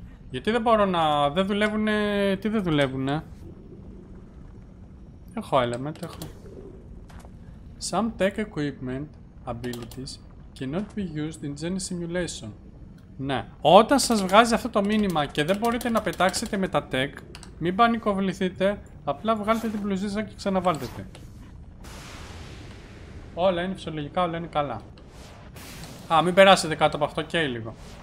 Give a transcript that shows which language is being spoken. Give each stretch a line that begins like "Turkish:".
Greek: Γιατί δεν μπορώ να... Δεν δουλεύουνε... Τι δεν δουλεύουνε? Έχω element, έχω.
English: Some tech equipment abilities cannot be used in Genie Simulation.
Greek: Ναι. Όταν σας βγάζει αυτό το μήνυμα και δεν μπορείτε να πετάξετε με τα tech, μην πανικοβληθείτε, απλά βγάλετε την πλουζίζα και ξαναβάλτε την. Όλα είναι φυσιολογικά, όλα είναι καλά. Α, μην περάσετε κάτω από αυτό, καίει λίγο.